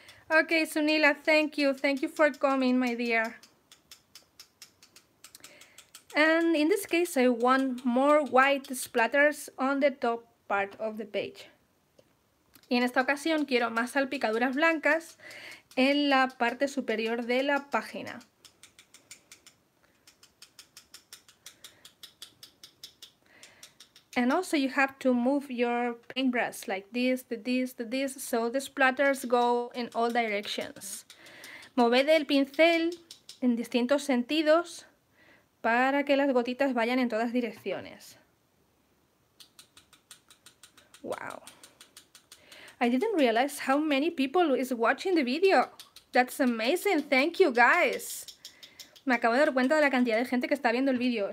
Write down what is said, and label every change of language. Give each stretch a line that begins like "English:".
English: Okay, Sunila, thank you for coming, my dear. And in this case, I want more white splatters on the top part of the page.
Spanish: Y en esta ocasión quiero más salpicaduras blancas en la parte superior de la página.
English: And also you have to move your paintbrush like this, this, this, so the splatters go in all directions.
Spanish: Moved el pincel en distintos sentidos para que las gotitas vayan en todas direcciones.
English: Wow. I didn't realize how many people is watching the video. That's amazing. Thank you, guys.
Spanish: Me acabo de dar cuenta de la cantidad de gente que está viendo el video.